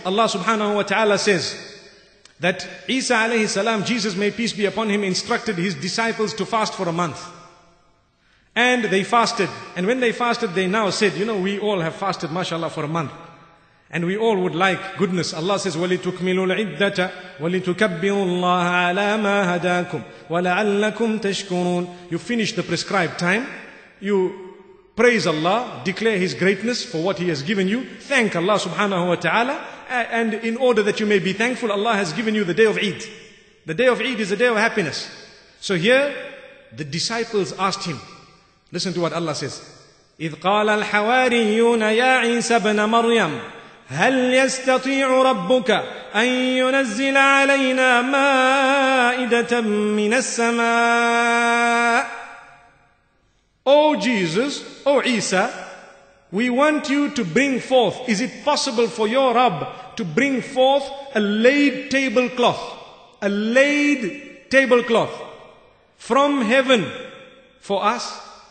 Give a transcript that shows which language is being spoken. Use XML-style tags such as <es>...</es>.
<en>Allah subhanahu wa ta'ala says that Isa alayhi salam, Jesus may peace be upon him, instructed his disciples to fast for a month. And they fasted. And when they fasted, they now said, you know, we all have fasted, mashallah, for a month. And we all would like goodness. Allah says,</en> <ar>وَلِتُكْمِلُوا الْعِدَّةَ وَلِتُكَبِّرُوا اللَّهَ عَلَى مَا هَدَاكُمْ وَلَعَلَّكُمْ تَشْكُرُونَ.</ar> <en>You finish the prescribed time. You praise Allah, declare His greatness for what He has given you. Thank Allah subhanahu wa ta'ala. And in order that you may be thankful, Allah has given you the day of Eid. The day of Eid is a day of happiness. So here, the disciples asked Him. Listen to what Allah says.</en> <ar>إِذْ قَالَ الْحَوَارِيُّونَ يَا عِيسَى ابْنَ مَرْيَمَ هل يستطيع ربك أن ينزل علينا مائدة من السماء؟</ar> <en>Oh Jesus, oh Isa, we want you to bring forth. Is it possible for your Rabb to bring forth a laid tablecloth, a laid tablecloth from heaven for us?</en>